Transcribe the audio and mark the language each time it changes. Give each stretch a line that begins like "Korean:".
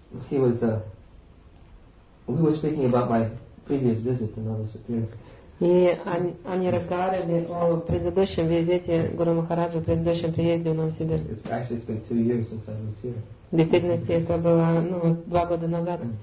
English: We were speaking about my previous visit to Novosibirsk.
Russian: И они разговаривали о предыдущем визите Гуру Махараджа, предыдущем приезде в Новосибирск.
English: It's actually been 2 years since I was here.
Russian: В действительности это было ну, 2 года назад.